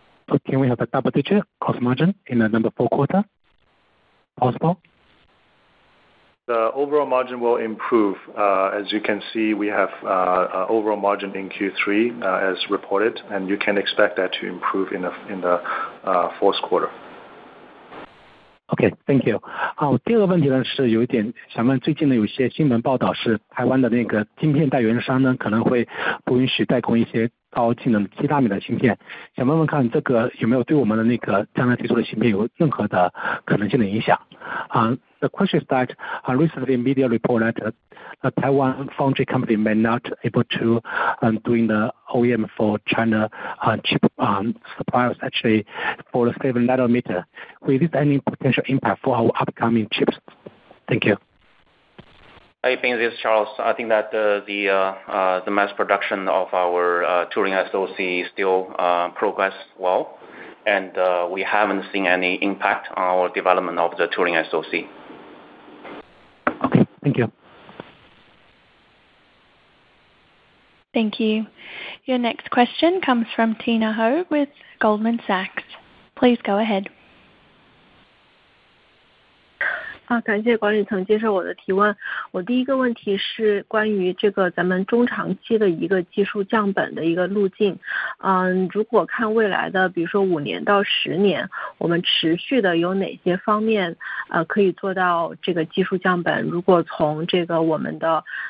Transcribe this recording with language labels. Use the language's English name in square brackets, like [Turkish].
[English] So can we have a double-digit cost margin in the number four quarter? Possible? The overall margin will improve. As you can see, we have overall margin in Q3 as reported, and you can expect that to improve in the fourth quarter. Okay, thank you. [Chinese] 第二个问题呢是有一点想问，最近呢有些新闻报道是 台湾的那个晶片代工商呢可能会不允许代工一些高性能7纳米的芯片，想问问看这个有没有对我们的那个将来提出的芯片有任何的可能性的影响？ [English] The question is that recently media report that a Taiwan foundry company may not able to doing the OEM for China chip suppliers actually for the 7 nanometer. Will this any potential impact for our upcoming chips? Thank you. Hey, Bing, this is Charles. I think that the mass production of our Turing SoC still progress well, and we haven't seen any impact on our development of the Turing SoC. Okay, thank you. Thank you. Your next question comes from Tina Ho with Goldman Sachs. Please go ahead. [Chinese] 感谢管理层接受我的提问。我第一个问题是关于这个咱们中长期的一个技术降本的一个路径。如果看未来的，比如说5年到10年，我们持续的有哪些方面可以做到这个技术降本？如果从这个我们的